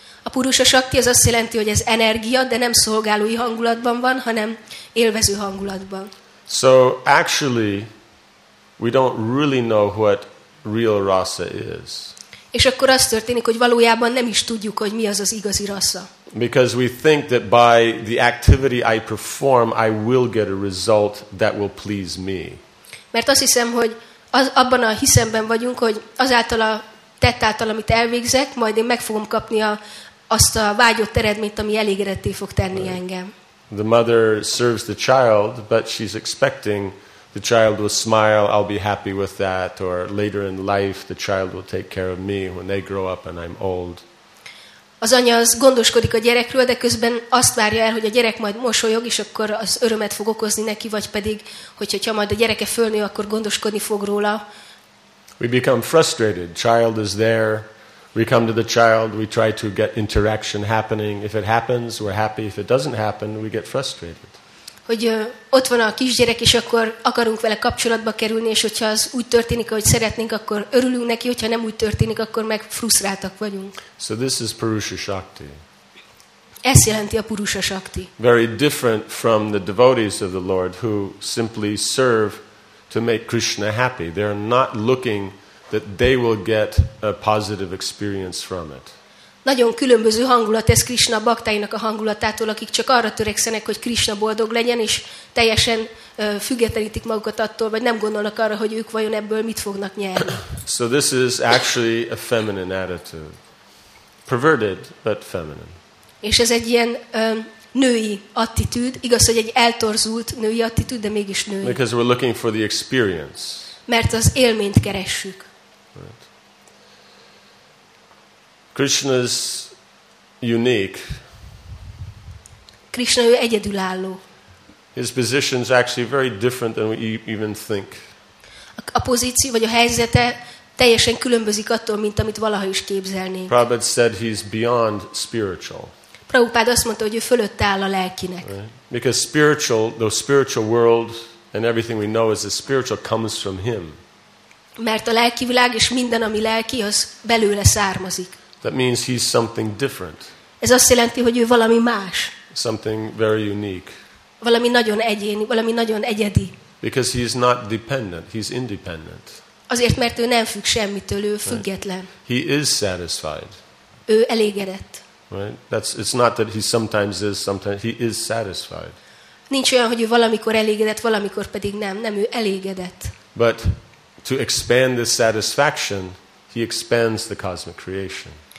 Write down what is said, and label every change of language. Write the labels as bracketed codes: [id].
[hu] A purusha shakti az azt jelenti, hogy ez energia, de nem szolgálói hangulatban van, hanem élvező hangulatban. [en] So actually we don't really know what real rasa is. [hu] És akkor az történik, hogy valójában nem is tudjuk, hogy mi az az igazi rasa. [en] Because we think that by the activity I perform I will get a result that will please me. [hu] Mert azt hiszem, hogy abban a hiszemben vagyunk, hogy azáltal a tett által, amit elvégzek, majd én meg fogom kapni azt a vágyott eredményt, ami elégedetté fog tenni engem. [en] The mother serves the child, but she's expecting the child will smile, I'll be happy with that, or later in life the child will take care of me when they grow up and I'm old. [hu] Az anya az gondoskodik a gyerekről, de közben azt várja el, hogy a gyerek majd mosolyog, és akkor az örömet fog okozni neki, vagy pedig, hogyha majd a gyereke fölnő, akkor gondoskodni fog róla. [en] We become frustrated. Child is there. We come to the child. We try to get interaction happening. If it happens, we're happy. If it doesn't happen, we get frustrated. [hu] Hogy ott van a kisgyerek, és akkor akarunk vele kapcsolatba kerülni, és hogyha az úgy történik, ahogy szeretnénk, akkor örülünk neki, hogyha nem úgy történik, akkor meg frusztráltak vagyunk. [en] So this is Purusha Shakti. [hu] Ez jelenti a Purusha Shakti. [en] Very different from the devotees of the Lord who simply serve to make Krishna happy. They're not looking that they will get a positive experience from it. [hu] Nagyon különböző hangulat ez Krishna baktáinak a hangulatától, akik csak arra törekszenek, hogy Krishna boldog legyen, és teljesen függetlenítik magukat attól, vagy nem gondolnak arra, hogy ők vajon ebből mit fognak nyerni. [en] So this is actually a feminine attitude. Perverted, but feminine. [hu] És ez egy ilyen női attitűd, igaz, hogy egy eltorzult női attitűd, de mégis női. [en] Because we're looking for the experience. [hu] Mert az élményt keressük. [en] Right. Krishna's unique. [hu] Krishna ő egyedülálló. [en] His position is actually very different than we even think. [hu] A pozíció vagy a helyzete teljesen különbözik attól, mint amit valaha is képzelnénk. [en] Prabhupada said he's beyond spiritual. [hu] Prabhupada azt mondta, hogy ő fölötte áll a lelkinek. [en] Right? Because spiritual, the spiritual world and everything we know as the spiritual comes from him. [hu] Mert a lelki világ és minden, ami lelki, az belőle származik. [en] That means he's something different. [hu] Ez azt jelenti, hogy ő valami más. [en] Something very unique. [hu] Valami nagyon egyéni, valami nagyon egyedi. [en] Because he is not dependent, he's independent. [hu] Azért, mert ő nem függ semmitől, ő független. [en] Right? He is satisfied. [hu] Ő elégedett. [en] Right? That's, it's not that he sometimes is, sometimes he is satisfied. [hu] Nincs olyan, hogy ő valamikor elégedett, valamikor pedig nem. Nem, ő elégedett. [en] But to expand this satisfaction, he expands the cosmic creation.